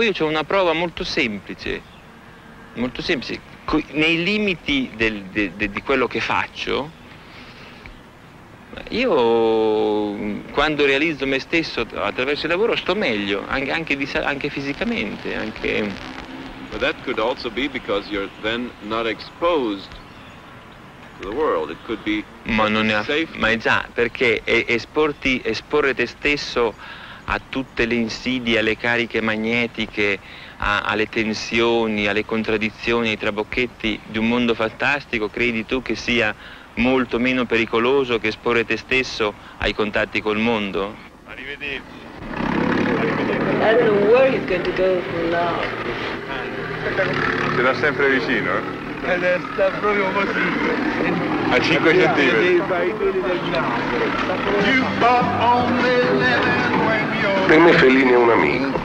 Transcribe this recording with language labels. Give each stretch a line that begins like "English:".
Italian: Poi io c'ho una prova molto semplice, nei limiti di quello che faccio, io quando realizzo me stesso attraverso il lavoro sto meglio, anche fisicamente, anche...
English: Ma that could also be because you're then not exposed to the world, it could be...
Italian: Ma non è safe. Ma è già, perché esporre te stesso a tutte le insidie, alle cariche magnetiche, alle tensioni, alle contraddizioni, ai trabocchetti di un mondo fantastico, credi tu che sia molto meno pericoloso che esporre te stesso ai contatti col mondo? Arrivederci.
English: I don't know where he's going to go from now.
Italian: Ce l'ha sempre vicino, eh? E sta proprio così. A 5 centimetri.
English: You bought only 11.
Italian: Per me Fellini è un amico.